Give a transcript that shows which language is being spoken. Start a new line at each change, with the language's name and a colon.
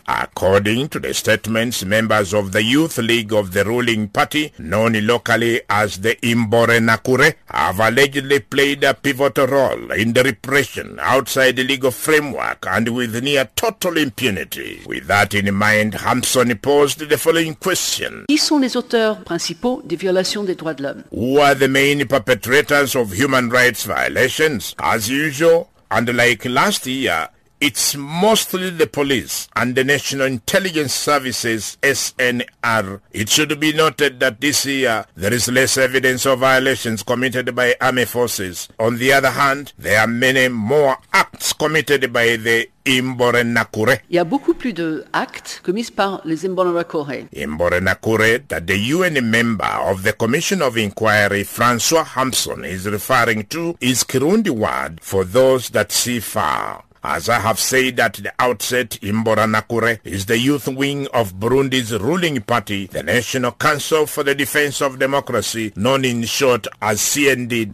English: According to the statements, members of the Youth League of the ruling party, known locally as the Imbore Nakure, have allegedly played a pivotal role in the repression outside the legal framework and with near total impunity. With that in mind, Hampson posed the following question.
French: Qui sont les auteurs principaux des violations des droits de l'homme?
English: Who are the main perpetrators of human rights violations? As usual, and like last year, it's mostly the police and the National Intelligence Services, SNR. It should be noted that this year, there is less evidence of violations committed by army forces. On the other hand, there are many more acts committed by the Imbore Nakure.
French: Il y a beaucoup plus de actes commis par les Imbore Nakure.
English: Imbore Nakure, that the UN member of the Commission of Inquiry, Francois Hampson, is referring to, is Kirundi word for those that see far. As I have said at the outset, Imbore Nakure is the youth wing of Burundi's ruling party, the National Council for the Defense of Democracy, known in short as CND.